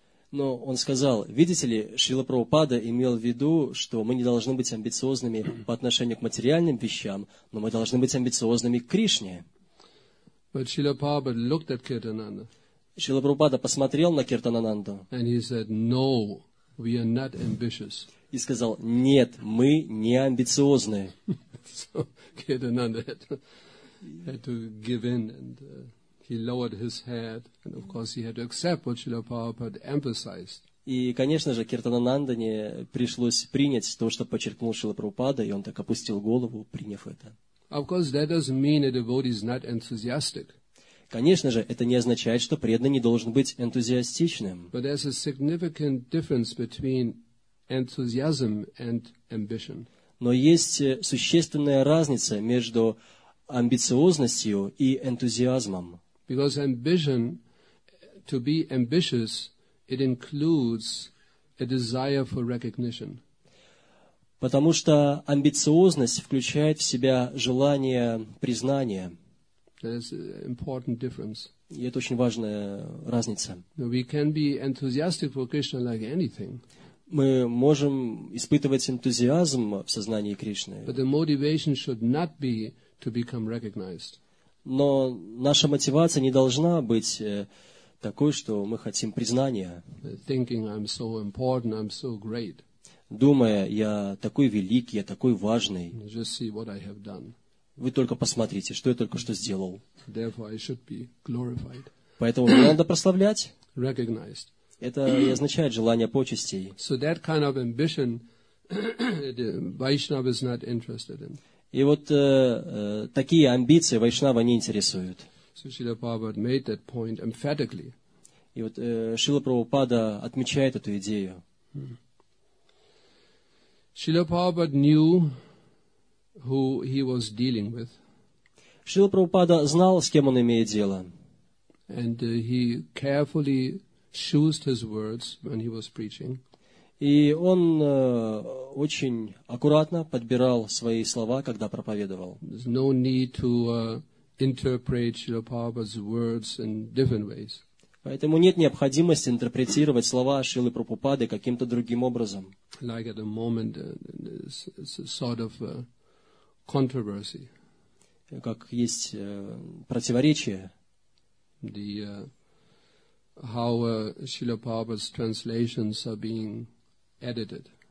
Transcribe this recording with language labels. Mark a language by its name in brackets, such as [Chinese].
[Russian] Но он сказал, видите ли, Шрила Прабхупада имел в виду, что мы не должны быть амбициозными по отношению к материальным вещам, но мы должны быть амбициозными к Кришне. [English] But Srila Prabhupada looked at Kirtananda. [Russian] Шрила Прабхупада посмотрел на Киртанананду. [English] And he said, no, we are not ambitious. [Russian] И сказал, нет, мы не амбициозны. [English] So Kirtananda had to give in and... He lowered his head, and of course he had to accept what Srila Prabhupada emphasized. [Russian] И, конечно же, Киртанананде пришлось принять то, что подчеркнул Шрила Прабхупада, и он так опустил голову, приняв это. [English] Of course, that doesn't mean a devotee is not enthusiastic. [Russian] Конечно же, это не означает, что преданный не должен быть энтузиастичным. [English] But there's a significant difference between enthusiasm and ambition. [Russian] Но есть существенная разница между амбициозностью и энтузиазмом. [English] Because ambition, to be ambitious, it includes a desire for recognition. [Russian] Потому что амбициозность включает в себя желание признания. [English] That's an important difference. [Russian] И это очень важная разница. [English] We can be enthusiastic for Krishna like anything. [Russian] Мы можем испытывать энтузиазм в сознании Кришны. [English] But the motivation should not be to become recognized. [Russian] Но наша мотивация не должна быть такой, что мы хотим признания. [English] Thinking I'm so important, I'm so great. [Russian] Думая, я такой великий, я такой важный. [English] Just see what I have done. [Russian] Вы только посмотрите, что я только что сделал. [English] Therefore, I should be glorified. [Russian] Поэтому мне надо прославлять. [English] Recognized. [Russian] Это и означает желание почестей. [English] So that kind of ambition, the Vaishnava is not interested in. [Russian] И вот такие амбиции Вайшнава не интересуют. [English] So Srila Prabhupada made that point emphatically. [Russian] И вот Шрила Прабхупада отмечает эту идею. [English] Шрила Прабхупада knew who he was dealing with. [Russian] Шрила Прабхупада знал, с кем он имеет дело. [English] And he carefully chose his words when he was preaching. [Russian] И он очень аккуратно подбирал свои слова, когда проповедовал. [English] There's no need to interpret Srila Prabhupada's words in different ways. [Russian] Поэтому нет необходимости интерпретировать слова Шрилы Прабхупады каким-то другим образом. [English] Like at the moment, it's a sort of a controversy. [Russian] Как есть противоречие. [English] The how Srila Prabhupada's translations are being edited.